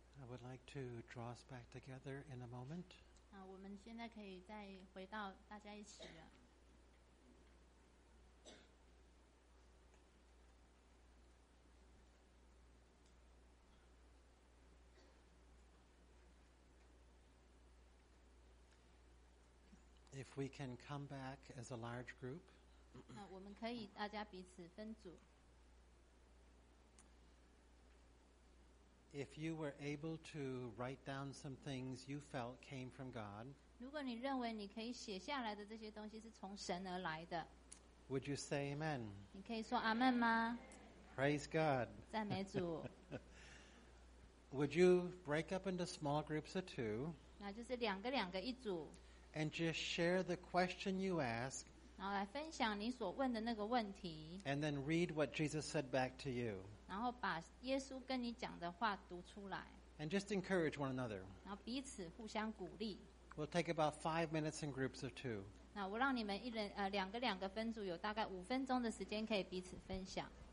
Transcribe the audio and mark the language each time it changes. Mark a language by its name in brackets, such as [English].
[English] would like to draw us back together in a moment. [Chinese] 我们现在可以再回到大家一起了。 [English] If we can come back as a large group, [Chinese] 我们可以大家彼此分组。 [English] If you were able to write down some things you felt came from God, [Chinese] 如果你认为你可以写下来的这些东西是从神而来的， [English] would you say amen? [Chinese] 你可以说阿们吗？ [English] Praise God. [Chinese] 赞美主。 [English] Would you break up into small groups of two? [Chinese] 那就是两个两个一组。 [English] And just share the question you ask. [Chinese] 然后来分享你所问的那个问题。 [English] And then read what Jesus said back to you. [Chinese] 然后把耶稣跟你讲的话读出来。 [English] And just encourage one another. [Chinese] 然后彼此互相鼓励。 [English] We'll take about 5 minutes in groups of two. [Chinese] 那我让你们一人两个两个分组，有大概五分钟的时间可以彼此分享。